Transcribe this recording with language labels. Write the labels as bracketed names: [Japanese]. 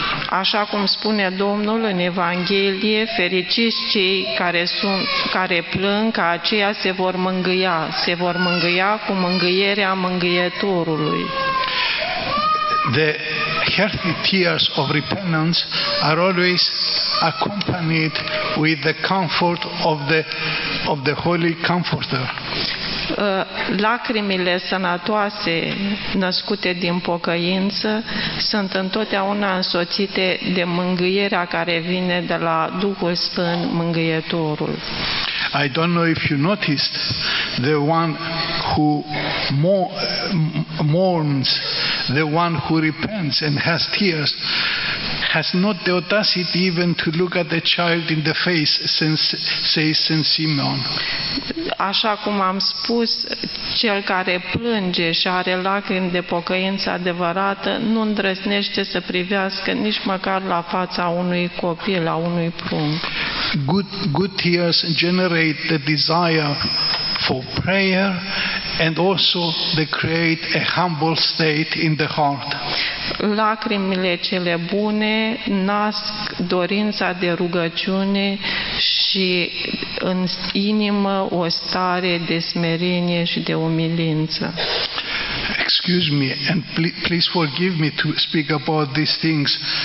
[Romanian] Așa cum spune Domnul în Evanghelie, fericiți cei care plâng, ca aceia se vor mângâia cu mângâierea mângâietorului. [English] The healthy tears of repentance are always accompanied with the comfort of the Holy Comforter. [Romanian] Lacrimile sănătoase născute din pocăință sunt întotdeauna însoțite de mângâierea care vine de la Duhul Sfânt Mângâietorul. [English] I don't know if you noticed the one who mourns, the one who repents and has tears, has not the audacity even to look at the child in the face, says Saint Simeon. [Romanian] Așa cum am spus, cel care plânge și are lacrimi de pocăință adevărată, nu îndrăznește să privească nici măcar la fața unui copil, a unui prunc. [English] Good tears generate the desire for prayer and also they create a humble state in the heart. [Romanian] Lacrimile cele bune nasc dorința de rugăciune și în inimă o stare de smerenie și de umilință. [English] Excuse me and please forgive me to speak about these things.